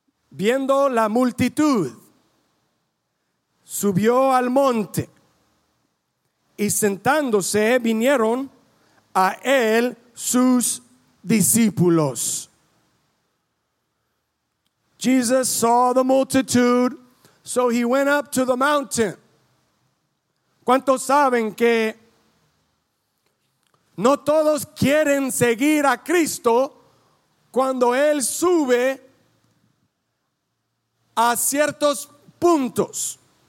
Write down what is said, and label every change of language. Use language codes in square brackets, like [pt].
[es] Viendo la multitud, subió al monte y sentándose vinieron a él sus discípulos. [en] Jesus saw the multitude, so he went up to the mountain. [es] ¿Cuántos saben que no todos quieren seguir a Cristo cuando él sube a ciertos puntos?